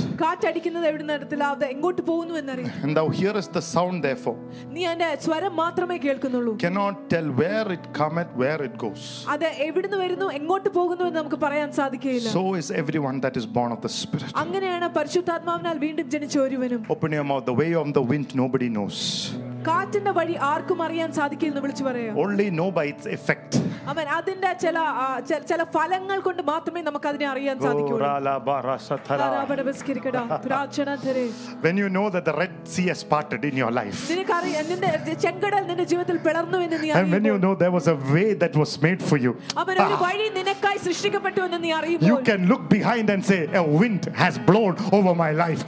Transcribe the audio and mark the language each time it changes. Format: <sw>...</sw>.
<ml>കാറ്റ് അടിക്കുന്നത് എവിടെ നടത്തില്ല അത് എങ്ങോട്ട് പോകുന്നു എന്നറിയാം.</ml> <en>And thou hearest the sound therefore.</en> <ml>നീ അതിന്റെ സ്വരം മാത്രമേ കേൾക്കുന്നുള്ളൂ.</ml> <en>Cannot tell where it cometh, where it goes.</en> <ml>അത് എവിടെ നിന്ന് വരുന്നു എങ്ങോട്ട് പോകുന്നു എന്ന് നമുക്ക് പറയാൻ സാധിക്കയില്ല.</ml> <en>So is everyone that is born of the spirit.</en> <ml>അങ്ങനെയാണ് പരിശുദ്ധാത്മാവിനാൽ വീണ്ടും ജനിച്ച ഒരുവനും.</ml> <en>Open your mouth, the way of the wind nobody knows.</en> <ml>കാറ്റിന്റെ വഴി ആർക്കും അറിയാൻ സാധിക്കില്ല എന്ന് വിളിച്ചു പറയാം.</ml> <en>Only know by its effect.</en> <ml>അമേൻ. അതിന്റെ ചില ചില ഫലങ്ങൾ കൊണ്ട് മാത്രമേ നമുക്ക് അതിനെ അറിയാൻ സാധിക്കൂ.</ml> <en>When you know that the Red Sea has parted in your life.</en> <ml>നിനക്കറിയാം നിന്റെ ചെങ്കടൽ നിന്റെ ജീവിതത്തിൽ പിളർന്നു എന്ന് നീ അറിയുമ്പോൾ.</ml> <en>When you know there was a way that was made for you.</en> <ml>അമേൻ. ഒരു വഴി നിനക്കായി സൃഷ്ടിക്കപ്പെട്ടു എന്ന് നീ അറിയുമ്പോൾ.</ml> <en>You can look behind and say a wind has blown over my life.</en>